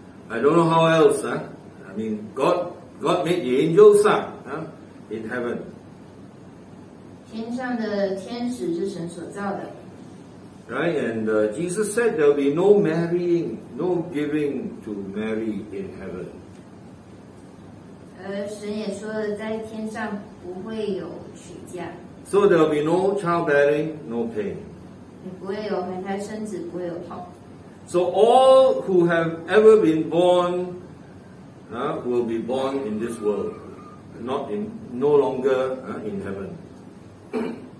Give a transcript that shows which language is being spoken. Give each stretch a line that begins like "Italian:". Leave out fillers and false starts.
English: I don't know how else, I mean, God made the angels, in heaven.
Chinese: 天上的天使是神所造的。
English: Right, and Jesus said there will be no marrying, no giving to Mary in heaven.
Chinese: 神也说了在天上不会有娶嫁。
English: So there will be no childbearing, no pain.
Chinese: 也不会有怀胎生子，不会有痛。
English: So all who have ever been born will be born in this world, not in, no longer in heaven.